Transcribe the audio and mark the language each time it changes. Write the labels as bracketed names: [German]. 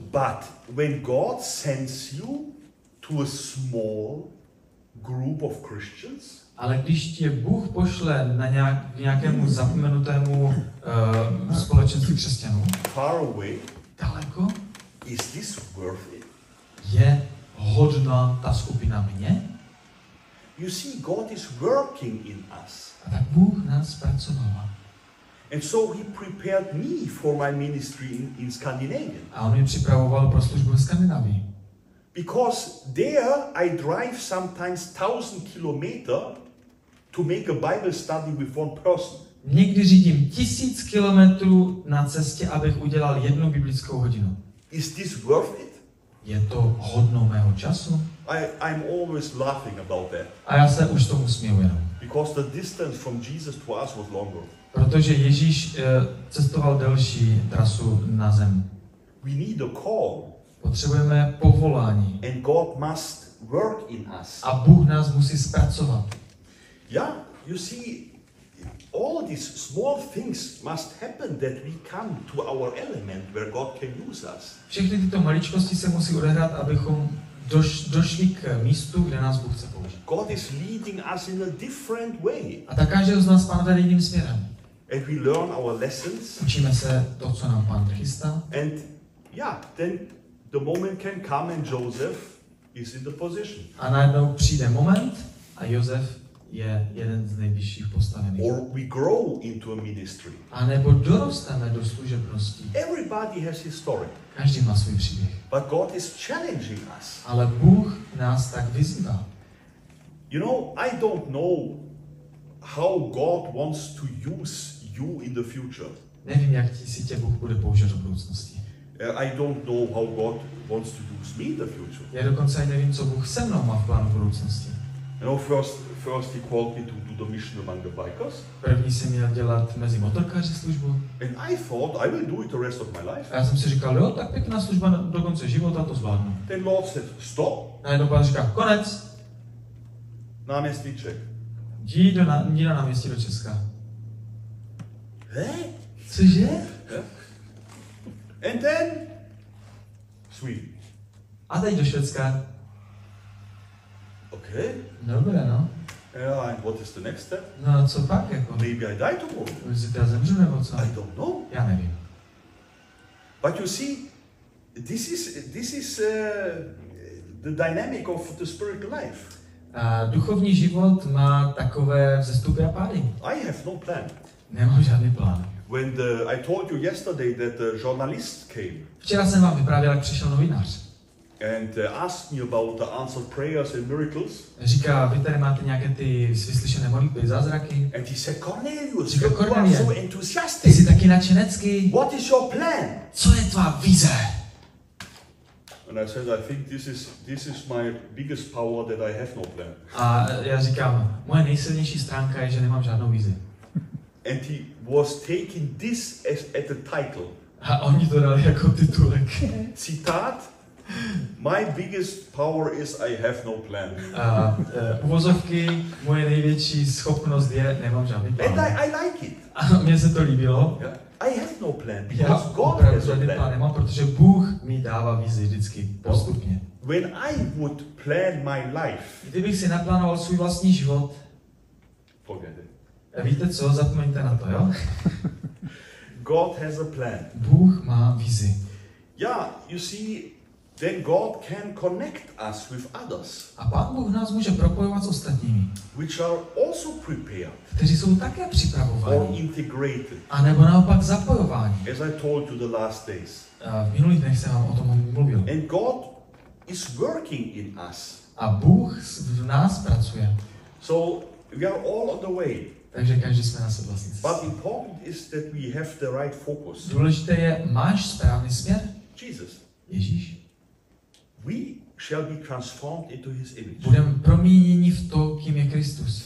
[English] But when God sends you to a small group of Christians, [Czech] ale když tě Bůh pošle na nějakému zapomenutému společenství křesťanů, [English] far away, [Czech] daleko, [English] is this worth it? [Czech] Je hodná ta skupina mě? [English] You see, God is working in us. [Czech] A tak Bůh nás pracovává. [English] And so he prepared me for my ministry in Scandinavia. [Czech] A on mě připravoval pro službu ve Skandinávii. [English] Because there I drive sometimes 1000 kilometers to make a Bible study with one person. [Czech] Někdy řídím 1000 kilometrů na cestě, abych udělal jednu biblickou hodinu. [English] Is this worth it? [Czech] Je to hodno mého času? [English] I'm always laughing about that. [Czech] A já se už tomu směju. [English] Because the distance from Jesus to us was longer. [Czech] Protože Ježíš cestoval delší trasu na zem. [English] We need a call. [Czech] Potřebujeme povolání. [English] And God must work in us. [Czech] A Bůh nás musí zpracovat. [English] Yeah, you see, all these small things must happen that we come to our element where God can use us. [Czech] Všechny tyto maličkosti se musí odehrát, abychom došli k místu, kde nás Bůh chce použít. [English] God is leading us in a different way. [Czech] A tak každého z nás Pán vede jiným směrem. [English] And we learn our lessons. [Czech] Učíme se to, co nám Pán chystá. [English] And yeah, then the moment can come and Joseph is in the position. [Czech] A najednou přijde moment a Josef je jeden z nejvyšších postavených. [English] Or we grow into a ministry. [Czech] A nebo dorosteme do služebnosti. [English] Everybody has his story. [Czech] Každý má svůj příběh. [English] But God is challenging us. [Czech] Ale Bůh nás tak vyzývá. [English] You know, I don't know how God wants to use you in the future. [Czech] Nevím, jak si tě Bůh bude používat do budoucnosti. [English] I don't know how God wants to use me in the future. [Czech] Já dokonce nevím, co Bůh se mnou má v plánu budoucnosti. [English] You know, first he called me to do the mission among the bikers. [Czech] První jsem měl dělat mezi motorkáři službu. [English] And I thought I will do it the rest of my life. [Czech] A já jsem si říkal, jo, tak pěkná služba do konce života, to zvládnu. [English] Then Lord said, stop. [Czech] Najednou Pán říká, konec. Náměstníček. Jdi na náměstí do Česka. Cože? [English] And then Sweden. [Czech] A teď do Švédska. [English] Okay. [Czech] Dobré, no. [English] Yeah, and what is the next step? [Czech] No, co pak jako? [English] Maybe I die tomorrow. [Czech] Jestli teda zemřu nebo co? [English] I don't know. [Czech] Já nevím. [English] But you see, this is the dynamic of the spiritual life. [Czech] Duchovní život má takové vzestupy a pády. [English] I have no plan. [Czech] Nemám žádný plán. [English] When the, I told you yesterday that the journalist came. [Czech] Včera jsem vám vyprávěl, jak přišel novinář. [English] And asked me about the answered prayers and miracles. [Czech] Říká, vy tady máte nějaké ty vyslyšené modlitby, zázraky. [English] And he said, Cornelius, [Czech] říká, Cornelius, [English] you are so enthusiastic. [Czech] Jsi taky nadšenecký. [English] What is your plan? [Czech] Co je tvá vize? [English] And I said, I think this is my biggest power that I have no plan. [Czech] A já říkám, moje nejsilnější stránka je, že nemám žádnou vizi. [English] And he was taking this as at the title. [Czech] A oni to dali jako titulek. Citát. [English] My biggest power is I have no plan. [Czech] Uvozovky, moje největší schopnost je nemám žádný plán. [English] And I like it. [Czech] Mně se to líbilo. [English] I have no plan. Because God has a plan. [Czech] Nemám, protože Bůh mi dává vizi vždycky postupně. [English] When I would plan my life. [Czech] Kdybych si naplánoval svůj vlastní život. [English] Forget it. [Czech] Víte co, zapomeňte na to, jo? [English] God has a plan. [Czech] Bůh má vizi. [English] Yeah, you see, then God can connect us with others. [Czech] A Pán Bůh nás může propojovat s ostatními. [English] Which are also prepared. [Czech] Kteří jsou také připravováni. [English] Or integrated. [Czech] A nebo naopak zapojováni. [English] As I told you the last days. [Czech] V minulých dnech jsem vám o tom mluvil. [English] And God is working in us. [Czech] A Bůh v nás pracuje. [English] So we are all on the way. [Czech] Takže každý jsme na své vlastní cestě. [English] But important is that we have the right focus. [Czech] Důležité je, máš správný směr? [English] Jesus. [Czech] Ježíš. [English] We shall be transformed into his image. [Czech] Budeme proměněni v to, kým je Kristus.